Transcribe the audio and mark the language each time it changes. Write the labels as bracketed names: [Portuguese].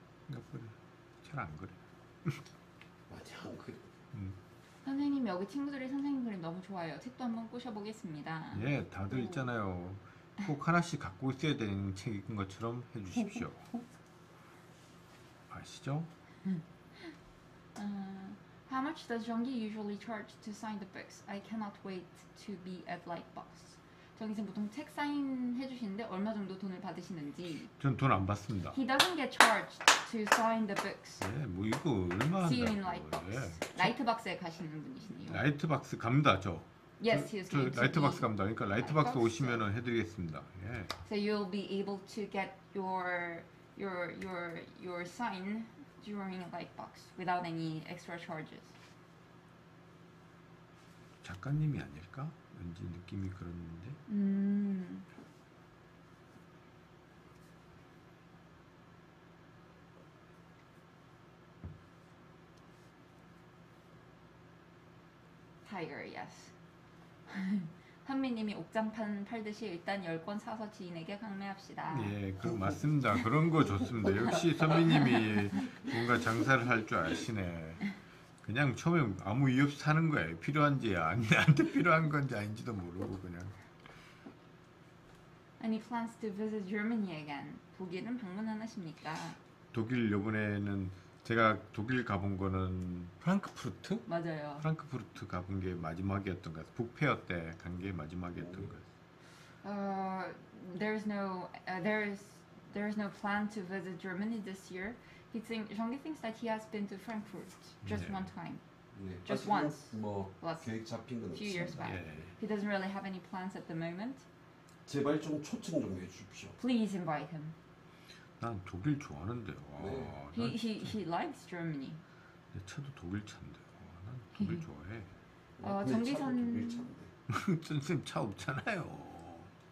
[Korean] 생각보다 잘 안 그려요. 많이 안 그려. 선생님 여기 친구들이 선생님 그림 너무 좋아요. 책도 한번 꼬셔보겠습니다. 예, 다들 있잖아요. 꼭 하나씩 갖고 있어야 되는 책인 것처럼 해주십시오. 아시죠? [English] How much does Jeongi usually charge to sign the books? I cannot wait to be at Lightbox. [Korean] 정희선 보통 책 사인 해주시는데 얼마 정도 돈을 받으시는지? 전 돈 안 받습니다. [English] He doesn't get charged to sign the books. [Korean] 네, 뭐 이거 얼마 한다고. [English] See you in Lightbox. 예. [Korean] 라이트박스에 가시는 분이시네요. 라이트박스 갑니다, 저. [English] Yes, he is going to [Korean] 라이트박스 갑니다. 그러니까 라이트박스 오시면 해드리겠습니다. 예. [English] So you'll be able to get your sign. During a light box without any extra charges. [Korean] 작가님이 아닐까? 왠지 느낌이 그렇는데. [English] 타이거, yes. [Korean] 현미님이 옥장판 팔듯이 일단 10권 사서 지인에게 강매합시다. 네, 그 맞습니다. 그런 거 좋습니다. 역시 선미님이 뭔가 장사를 할 줄 아시네. 그냥 처음에 아무 이유 없이 사는 거예요. 필요한지 아닌데 필요한 건지 아닌지도 모르고 그냥. [English] Any plans to visit Germany again? [Korean] 독일은 방문 안 하십니까? 독일 이번에는 제가 독일 가본 거는 프랑크푸르트? 맞아요. 프랑크푸르트 가본 게 마지막이었던 것 같아요. 북페어 때 간 게 마지막이었던 것 같아요. [English] There is no plan to visit Germany this year. Jeongi thinks that he has been to Frankfurt just 네. one time. [Korean] 네. [English] Just once. [Korean] 뭐 계획 잡힌 건 없습니다. [English] Few years back. 예. He doesn't really have any plans at the moment. [Korean] 제발 좀 초청 좀 해 주십시오. [English] Please invite him. [Korean] 난 독일 좋아하는데. 와, [English] 네. He likes Germany. [Korean] 내 차도 독일 차인데. 와, 난 독일 좋아해. 정기선 독일 차인데. 선생님 차 없잖아요.